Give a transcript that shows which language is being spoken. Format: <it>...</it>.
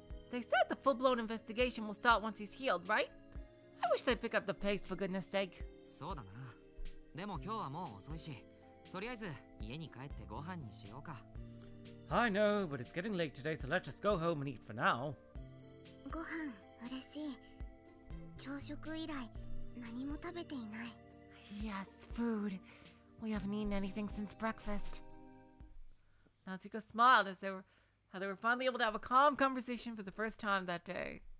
<en>They said the full-blown investigation will start once he's healed, right? I wish they'd pick up the pace, for goodness sake.</en> <ja>そうだな。でも今日はもう遅いし、とりあえず家に帰ってご飯にしようか。</ja> <en>I know, but it's getting late today, so let's just go home and eat for now.</en> <ja>ご飯、嬉しい。朝食以来、何も食べていない。</ja> <en>Yes, food. We haven't eaten anything since breakfast. Natsuhiko smiled as they were finally able to have a calm conversation for the first time that day.</en>